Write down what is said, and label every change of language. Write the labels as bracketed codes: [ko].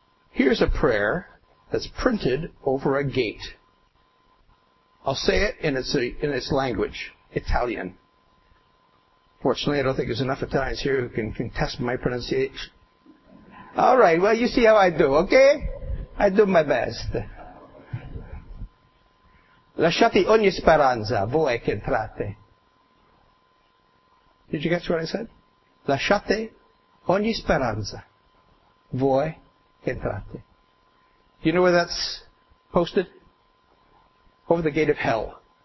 [en] Here's a prayer that's printed over a gate. I'll say it in its language, Italian. Fortunately, I don't think there's enough Italians here who can contest my pronunciation. All right, well, you see how I do, okay? I do my best. [it] Lasciate ogni speranza, voi che entrate. [en] Did you catch what I said? [it] Lasciate ogni speranza, voi che entrate. [en] You know where that's posted? Over the gate of hell.